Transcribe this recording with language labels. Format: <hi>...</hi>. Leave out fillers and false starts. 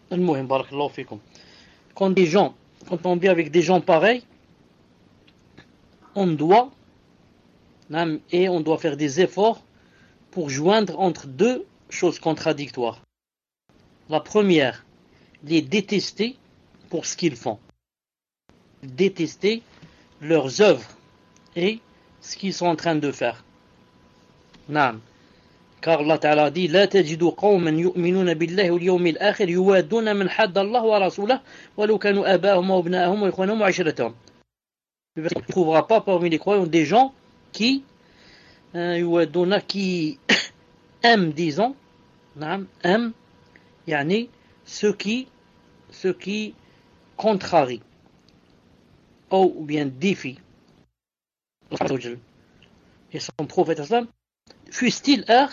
<fr>Al-Muhim, barakallahu fikoum. Quand des gens... Quand on vit avec des gens pareils, on doit faire des efforts pour joindre entre deux choses contradictoires. La première, les détester pour ce qu'ils font. Détester leurs œuvres et ce qu'ils sont en train de faire. Naam. Car Allah Ta'ala dit</fr> <ar>لا تجد قوما يؤمنون بالله واليوم الآخر يوادون من حد الله ورسوله ولو كانوا آباءهم وأبناءهم وإخوانهم وعشيرتهم.</ar> <fr>Tu ne trouveras pas parmi les croyants des gens qui يوادون, qui aiment, disons, aiment, yani, ce qui contrarie ou bien défie et son prophète, fût-il</fr>